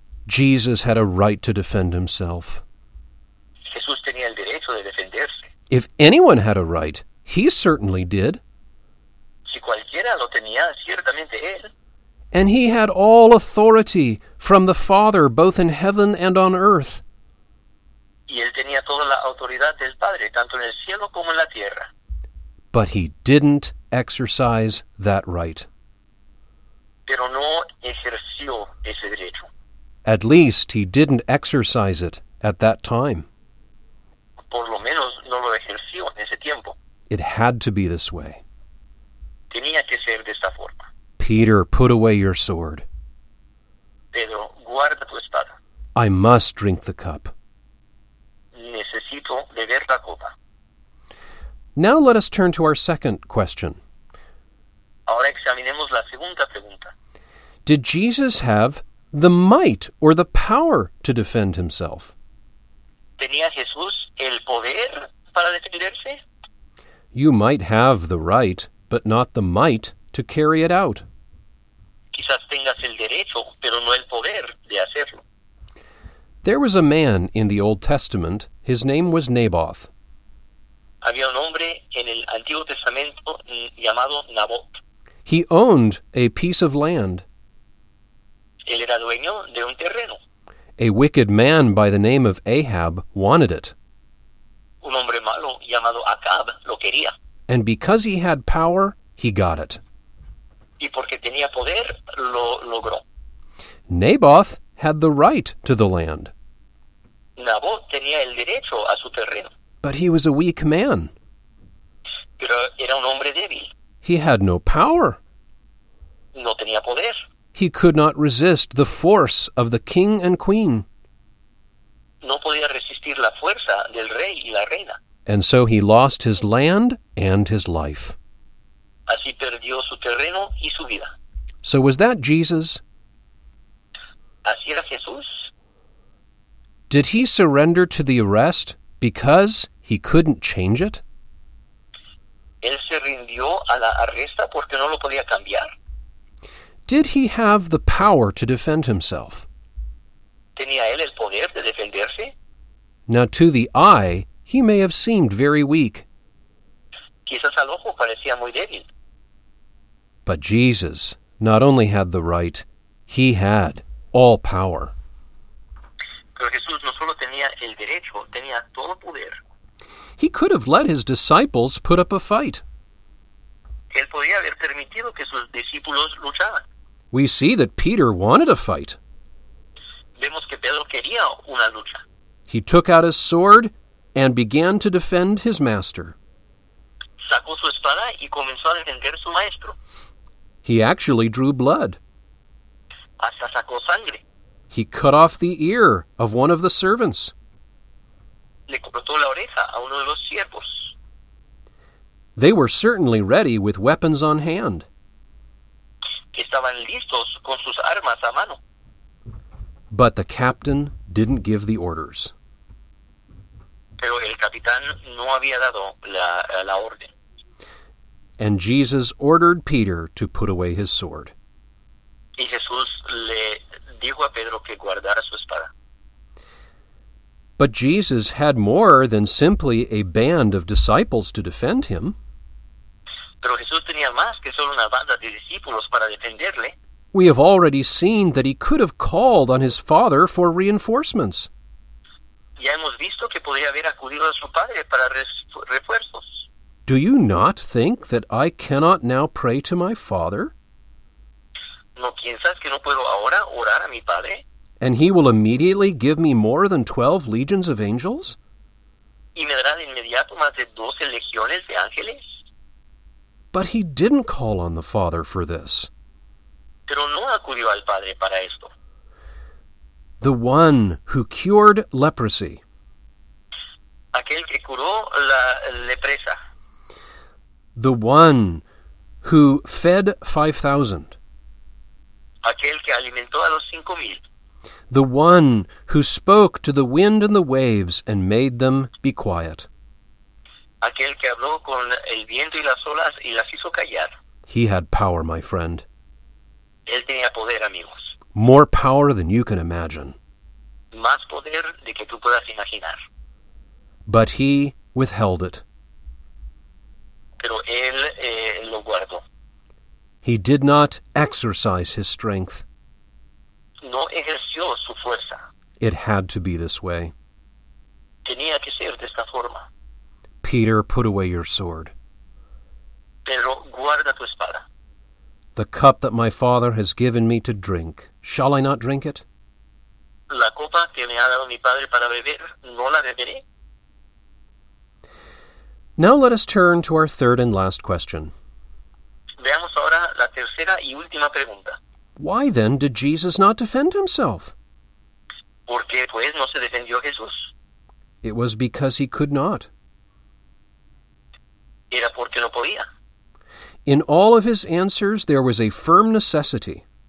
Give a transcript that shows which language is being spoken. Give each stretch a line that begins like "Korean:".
English: Jesus had a right to defend himself.
Spanish: Jesús tenía el derecho de defenderse.
English: If anyone had a right, he certainly did.
Spanish: Si cualquiera lo tenía, ciertamente él.
English: And he had all authority from the Father, both in heaven and on earth.
Spanish: Y él tenía toda la autoridad del Padre, tanto en el cielo como en la tierra.
English: But he didn't exercise that right.
Spanish: Pero no ejerció ese derecho.
English: At least he didn't exercise it at that time.
Spanish: Por lo menos no lo ejerció en ese tiempo.
English: It had to be this way.
Spanish: Tenía que ser de esta forma.
English: Peter, put away your sword.
Spanish: Pedro, guarda tu espada.
English: I must drink the cup.
Spanish: Necesito beber la copa.
English: Now let us turn to our second question.
Spanish: Ahora examinemos la segunda pregunta.
English: Did Jesus have the might or the power to defend himself?
Spanish: ¿Tenía Jesús el poder para defenderse?
English: You might have the right, but not the might to carry it out.
Spanish: Quizás tengas el derecho, pero no el poder de hacerlo.
English: There was a man in the Old Testament. His name was Naboth.
Spanish: Había un hombre en el Antiguo Testamento llamado Naboth.
English: He owned a piece of land.
Spanish: Él era dueño de un terreno.
English: A wicked man by the name of Ahab wanted it.
Spanish: Un hombre malo llamado Acab lo quería.
English: And because he had power, he got it.
Spanish: Y porque tenía poder, lo logró.
English: Naboth had the right to the land.
Spanish: Naboth tenía el derecho a su terreno.
English: But he was a weak man.
Spanish: Pero era un hombre débil.
English: He had no power.
Spanish: No tenía poder.
English: He could not resist the force of the king and queen.
Spanish: No podía resistir la fuerza del rey y la reina.
English: And so he lost his land and his life.
Spanish: Así perdió su terreno y su vida.
English: So was that Jesus?
Spanish: Así era Jesús.
English: Did he surrender to the arrest because he couldn't change it?
Spanish: él se rindió a la arresta porque no lo podía cambiar.
English: Did he have the power to defend himself?
Spanish: ¿Tenía él el poder de defenderse?
English: Now to the eye, he may have seemed very weak.
Spanish: Quizás al ojo parecía muy débil.
English: But Jesus not only had the right, he had all power.
Spanish: Pero Jesús no solo tenía el derecho, tenía todo poder.
English: He could have let his disciples put up a fight.
Spanish: Él podía haber permitido que sus discípulos lucharan.
English: We see that Peter wanted a fight.
Spanish: Vemos que Pedro quería una lucha.
English: He took out his sword and began to defend his master.
Spanish: Sacó su espada y comenzó a defender su maestro.
English: He actually drew blood.
Spanish: Hasta sacó sangre.
English: He cut off the ear of one of the servants.
Spanish: Le cortó la oreja a uno de los siervos.
English: They were certainly ready with weapons on hand.
Spanish: Estaban listos con sus armas a mano.
English: But the captain didn't give the orders.
Spanish: Pero el capitán no había dado la orden.
English: And Jesus ordered Peter to put away his sword.
Spanish: Y Jesús le dijo a Pedro que guardara su espada.
English: But Jesus had more than simply a band of disciples to defend him.
Spanish: Pero Jesús tenía más que solo una banda de discípulos para defenderle.
English: We have already seen that he could have called on his father for reinforcements.
Spanish: Ya hemos visto que podía haber acudido a su padre para refuerzos.
English: Do you not think that I cannot now pray to my father?
Spanish: ¿No piensas que no puedo ahora orar a mi padre?
English: And he will immediately give me more than 12 legions of angels?
Spanish: ¿Y me dará de inmediato más de 12 legiones de ángeles?
English: But he didn't call on the Father for this.
Spanish: Pero no acudió al Padre para esto.
English: The one who cured leprosy.
Spanish: Aquel que curó la lepra.
English: The one who fed 5,000.
Spanish: Aquel que alimentó a los 5,000.
English: The one who spoke to the wind and the waves and made them be quiet.
Spanish: Aquel que habló con el viento y las olas y las hizo callar.
English: He had power, my friend.
Spanish: Él tenía poder, amigos.
English: More power than you can imagine.
Spanish: Más poder de que tú puedas imaginar.
English: But he withheld it.
Spanish: Pero él lo guardó.
English: He did not exercise his strength.
Spanish: No ejerció su fuerza.
English: It had to be this way.
Spanish: Tenía que ser de esta forma.
English: Peter, put away your sword.
Spanish: Pero guarda tu espada.
English: The cup that my father has given me to drink, shall I not drink it?
Spanish: La copa que me ha dado mi padre para beber, ¿no la beberé?
English: Now let us turn to our third and last question.
Spanish: Veamos ahora la tercera y última pregunta.
English: Why then did Jesus not defend himself?
Spanish: ¿Por qué, pues, no se defendió Jesús?
English: It was because he could not.
Spanish: Era porque no podía.
English: In all of his answers, there was a firm necessity.